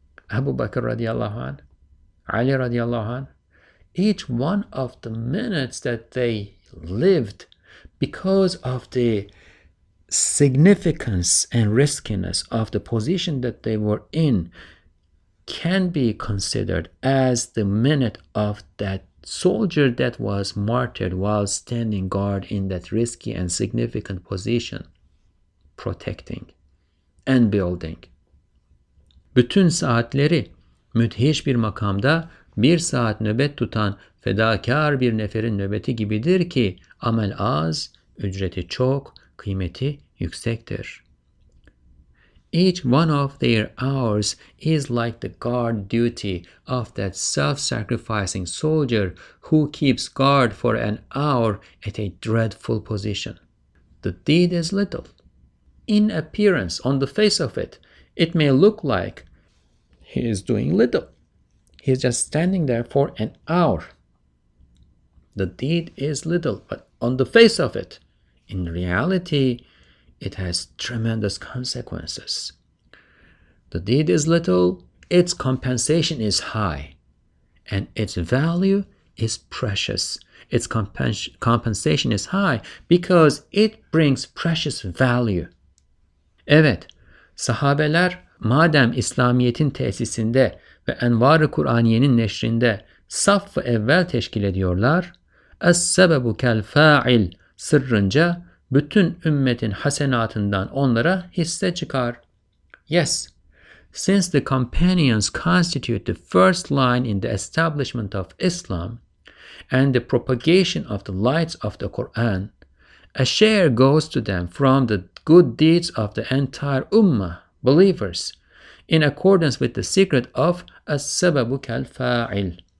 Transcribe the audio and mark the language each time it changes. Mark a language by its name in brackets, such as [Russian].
[English] Abu Bakr radiallahu anhu, Ali radiallahu anhu, each one of the minutes that they lived because of the significance and riskiness of the position that they were in can be considered as the minute of that soldier that was martyred while standing guard in that risky and significant position, protecting and building. [Turkish] Bütün saatleri müthiş bir makamda bir saat nöbet tutan fedakar bir neferin nöbeti gibidir ki amel az, ücreti çok, kıymeti yüksektir. [English] Each one of their hours is like the guard duty of that self-sacrificing soldier who keeps guard for an hour at a dreadful position. The deed is little. In appearance, on the face of it, it may look like he is doing little. He's just standing there for an hour. The deed is little, but on the face of it, in reality, it has tremendous consequences. The deed is little, its compensation is high, and its value is precious. Its compensation is high because it brings precious value. [Turkish] Evet, sahabeler madem İslamiyet'in tesisinde ve Envar-ı Kur'aniye'nin neşrinde saf-ı evvel teşkil ediyorlar, [Arabic] اَسْسَبَبُ كَالْفَاِلْ [Turkish] sırrınca bütün ümmetin hasenatından onlara hisse çıkar. [English] Yes, since the companions constitute the first line in the establishment of Islam and the propagation of the lights of the Qur'an, a share goes to them from the good deeds of the entire ummah, believers, in accordance with the secret of [Arabic] السَّبَبُ كَالْفَاعِلِ.